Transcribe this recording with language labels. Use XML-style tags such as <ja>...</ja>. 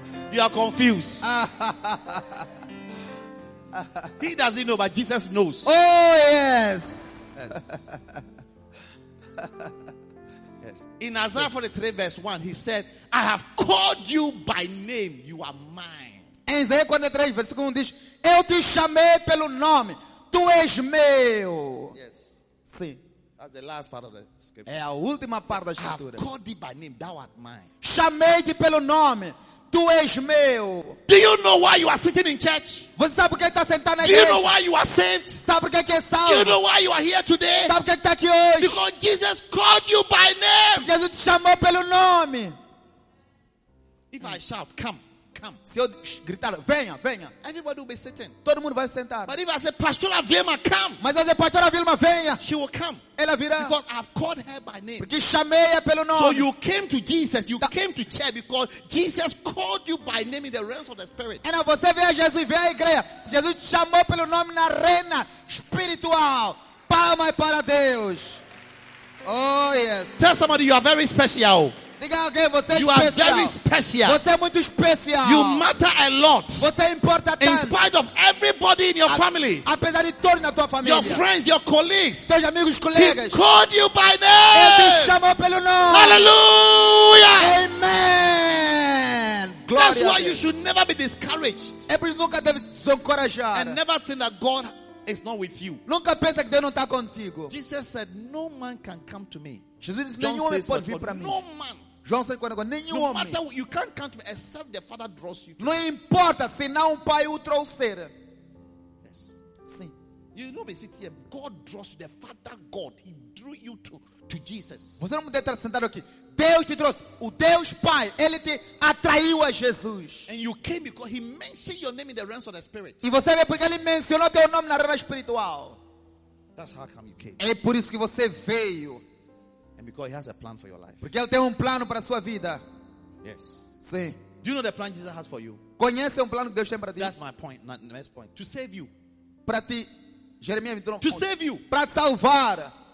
<en>You are confused. He doesn't know, but Jesus knows. Oh yes. Yes. In Isaiah 43 verse 1, he said, I have called you by name, you are mine.</en> <pt>Em Isaiah 43</pt> <en>verse 1</en> <pt>diz, eu te chamei pelo nome, tu és meu.</pt> <en>Yes.</en> <pt>Sim.</pt> <en>That's the last part of the scripture.</en> <pt>É a última parte da escritura.</pt> <en>I have called thee by name, thou art mine.</en> <pt>Chamei-te pelo nome. Tu és meu.</pt> <en>Do you know why you are sitting in church?</en> <pt>Você sabe por que está sentado na igreja?</pt> <en>Do you know why you are saved?</en> <pt>Sabe por que está?</pt> <en>Do you know why you are here today?</en> <pt>Sabe por que está aqui hoje?</pt> <en>Because Jesus called you by name.</en> <pt>Jesus te chamou pelo nome.</pt> <en>If I shout, come.</en> <pt>Se eu gritar, venha.</pt> <en>Everybody will be sitting.</en> <pt>Todo mundo vai sentar.</pt> <en>But if I say, Pastora Vilma, come.</en> <pt>Mas eu digo, Pastora Vilma, venha.</pt> <en>She will come.</en> <pt>Ela virá.</pt> <en>Because I've called her by name.</en> <pt>Porque chamei-a pelo nome.</pt> <en>So you came to Jesus. You came to church because Jesus called you by name in the realms of the spirit.</en> <pt>E não, você veio a Jesus, veio à igreja. Jesus te chamou pelo nome na arena espiritual. Palmas para Deus.</pt> <en>Oh, yes. Tell somebody you are very special.</en> <pt>Diga alguém, você</pt> <en>you</en> <pt>é</pt> <en>are very special.</en> <pt>Você é muito especial.</pt> <en>You matter a lot.</en> <pt>Você importa tanto.</pt> <en>In spite of everybody in your family.</en> <pt>Apesar de todos na tua família.</pt> <en>Your friends, your colleagues.</en> <pt>Seus amigos, colegas.</pt> <en>He called you by name.</en> <pt>Ele te chamou pelo nome.</pt> <en>Hallelujah. Amen.</en> <pt>Glória.</pt> <en>That's why you should never be discouraged.</en> <pt>É por isso nunca deve desencorajar.</pt> <en>And never think that God is not with you.</en> <pt>Nunca pensa que Deus não está contigo.</pt> <en>Jesus said, no man can come to me.</en> <pt>Jesus disse, nenhum homem pode vir para mim.</pt> <en>No man.</en> <pt>João 6:44, nenhum</pt> <en>no</en> <pt>homem.</pt> <en>Matter, you can't come to me except the Father draws you to</en> <pt>não</pt> <en>me.</en> <pt>Importa se não o Pai o trouxer.</pt> <en>Yes.</en> <pt>Sim.</pt> <en>You know, we sit here. God draws you. The Father God, he drew you to Jesus.</en> <pt>Você não pode estar sentado aqui. Deus te trouxe. O Deus Pai, ele te atraiu a Jesus.</pt> <en>And you came because he mentioned your name in the realms of the spirit.</en> <pt>E você veio porque ele mencionou teu nome na realm espiritual.</pt> <en>That's how come you came.</en> <pt>É por isso que você veio.</pt> <en>And because he has a plan for your life.</en> <pt>Porque ele tem plano para sua vida.</pt> <en>Yes.</en> <pt>Sim.</pt> <en>Do you know the plan Jesus has for you?</en> <pt>Conhece plano que Deus tem para ti?</pt> <en>That's my point, not the next point. To save you.</en> <pt>Para ti. Jeremias 29.</pt> <en>To save you.</en> <pt>Para te salvar.</pt>